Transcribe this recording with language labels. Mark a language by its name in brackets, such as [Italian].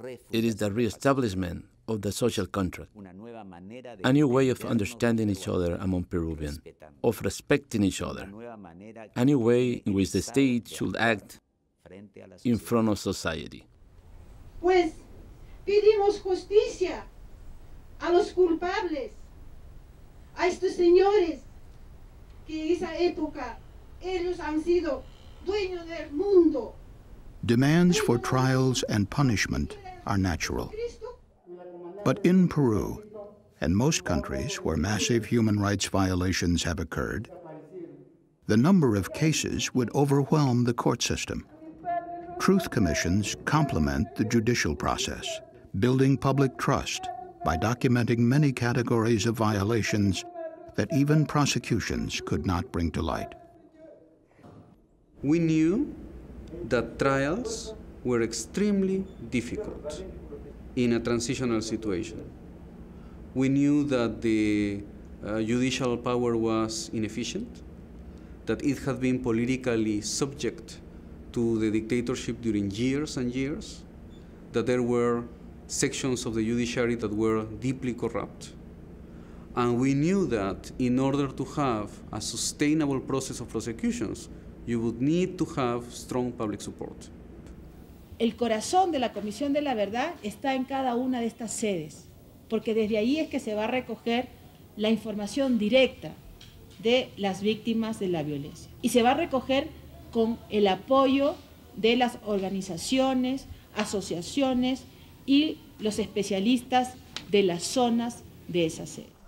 [English] It is the re-establishment of the social contract, a new way of understanding each other among Peruvians, of respecting each other, a new way in which the state should act in front of society. [Spanish] Pues, pedimos justicia a los culpables, a estos señores que en esa época ellos han sido dueños del mundo. [English] Demands for trials and punishment are natural. But in Peru, and most countries where massive human rights violations have occurred, the number of cases would overwhelm the court system. Truth commissions complement the judicial process, building public trust by documenting many categories of violations that even prosecutions could not bring to light. We knew that trials were extremely difficult in a transitional situation. We knew that the judicial power was inefficient, that it had been politically subject to the dictatorship during years and years, that there were sections of the judiciary that were deeply corrupt. And we knew that in order to have a sustainable process of prosecutions, you would need to have strong public support. [Spanish] El corazón de la Comisión de la Verdad está en cada una de estas sedes, porque desde ahí es que se va a recoger la información directa de las víctimas de la violencia. Y se va a recoger con el apoyo de las organizaciones, asociaciones y los especialistas de las zonas de esa sede.